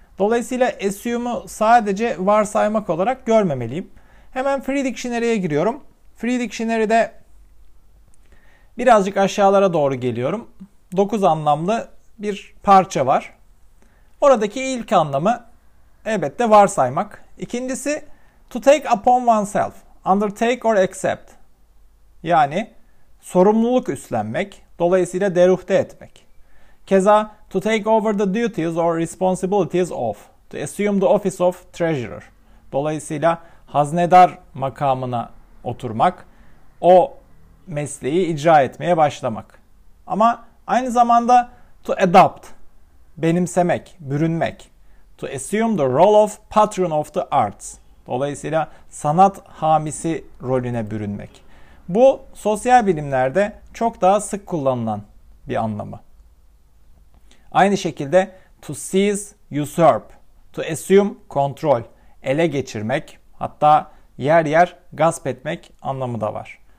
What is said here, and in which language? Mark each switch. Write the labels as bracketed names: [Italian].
[Turkish] Dolayısıyla assume'u sadece varsaymak olarak görmemeliyim. Hemen Free Dictionary'e giriyorum. Free Dictionary'de birazcık aşağılara doğru geliyorum. 9 anlamlı bir parça var. Oradaki ilk anlamı elbette varsaymak. [English] İkincisi to take upon oneself, undertake or accept. [Turkish] Yani sorumluluk üstlenmek, dolayısıyla deruhte etmek. [English] Keza to take over the duties or responsibilities of, to assume the office of treasurer. [Turkish] Dolayısıyla haznedar makamına oturmak, o mesleği icra etmeye başlamak. Ama aynı zamanda [English] to adopt, [Turkish] benimsemek, bürünmek. [English] To assume the role of patron of the arts. [Turkish] Dolayısıyla sanat hamisi rolüne bürünmek. Bu sosyal bilimlerde çok daha sık kullanılan bir anlamı. Aynı şekilde [English] to seize, usurp, to assume, [Turkish] kontrol, ele geçirmek, hatta yer yer gasp etmek anlamı da var.